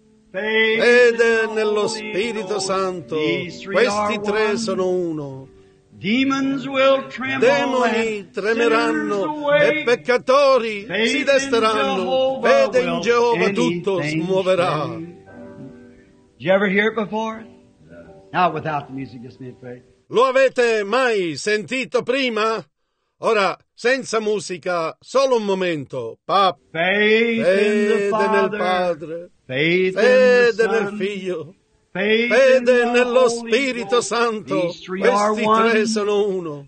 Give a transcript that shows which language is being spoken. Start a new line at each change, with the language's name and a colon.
English: Faith
Italian: fede
English: in
Italian: nello
English: the
Italian: Spirito
English: Holy
Italian: Santo. Questi 3 sono uno.
English: Demons will tremble,
Italian: demoni tremeranno e peccatori si desteranno. Fede in Geova tutto smuoverà.
English: Did you ever hear it before? Not without the music, just me and faith.
Italian: Lo avete mai sentito prima? Ora, senza musica, solo un momento. Fede nel Padre,
English: faith
Italian: fede
English: in
Italian: nel
English: Son.
Italian: Figlio.
English: Faith
Italian: fede
English: in
Italian: nello
English: Holy
Italian: Spirito
English: Holy.
Italian: Santo,
English: these
Italian: questi 3 sono uno.